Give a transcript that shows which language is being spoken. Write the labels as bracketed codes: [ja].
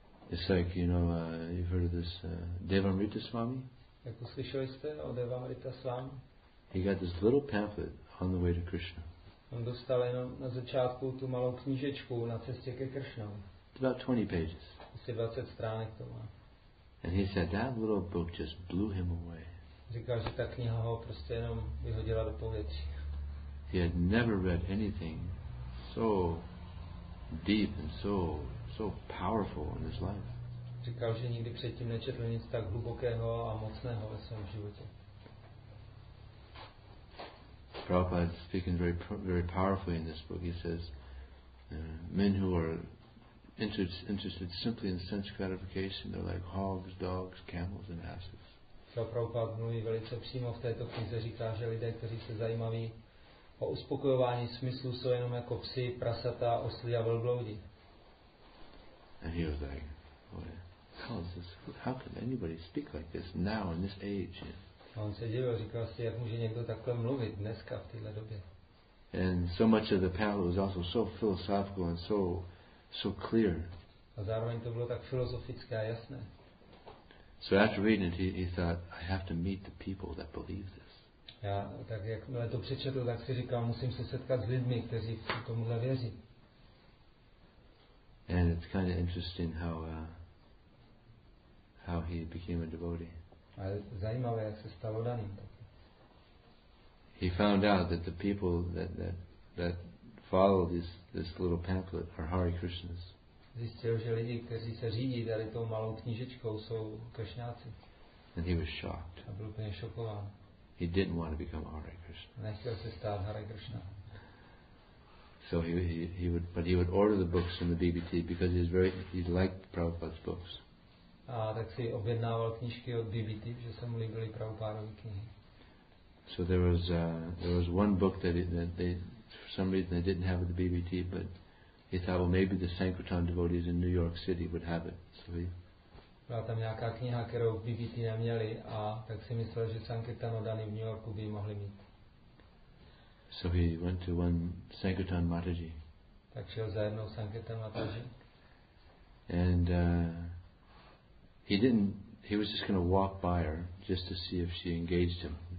[en] It's like, you know, you've heard of this Devamrita Swami? [cs] Jak uslyšeli jste o Devamrita Swami? [en] He got this little pamphlet on the way to Krishna. [cs] On dostal jenom na začátku tu malou knížečku na cestě ke Kršnovi. [en] It's about 20 pages. [cs] Asi 20 stránek to má. [en] And he said that little book just blew him away. [cs] Říkal, že ta kniha ho prostě jenom vyhodila do povětří. [en] He had never read anything so deep and so powerful in his life. [cs] Říkal, že nikdy předtím nečetl nic tak hlubokého a mocného ve svém životě. [en] Prabhupada is speaking very, very powerfully in this book. He says, men who are interested simply in sense gratification are like hogs, dogs, camels, and asses. [cs] So Prabhupada mluví velice přímo v této knize, říká, že lidé, kteří se zajímaví o uspokojování smyslu, jsou jenom jako psi, prasata, osly a velbloudi. [en] And he was like, how is this? How can anybody speak like this now in this age? [cs] A on se divil, říkal si, jak může někdo takhle mluvit dneska v téhle době. [en] And so much of the pamphlet was also so philosophical and so clear. [cs] A zároveň to bylo tak filozofické a jasné. [en] So after reading it, he thought, I have to meet the people that believe this. [cs] Já tak jakmile to přečetl, tak si říkal, musím se setkat s lidmi, kteří tomuhle věří. [en] And it's kind of interesting how he became a devotee. [cs] A zajímavé, jak se stalo daným. [en] He found out that the people that follow this little pamphlet are Hare Krishnas. [cs] Zjistil, že lidi, kteří se řídí tady tou malou knížečkou, jsou kršňáci. [en] And he was shocked. [cs] A byl úplně šokován. [en] He didn't want to become Hare Krishna. [cs] Nechtěl se stát Hare Krishna. [en] So he would order the books from the BBT because he liked Prabhupada's books. [cs] A tak si objednával knížky od BBT, že se mu líbily Prabhupádovy knihy. [en] So there was one book that they for some reason they didn't have at the BBT, but he thought, well, maybe the Sankirtan devotees in New York City would have it. So he. [cs] Byla tam nějaká kniha, kterou BBT neměli, a tak si myslel, že Sankirtanodani v New Yorku by mohli mít. [en] So he went to one Sankirtan Mataji. [cs] Tak šel za jednou Sankirtan Mataji. [en] And He was just going to walk by her just to see if she engaged him.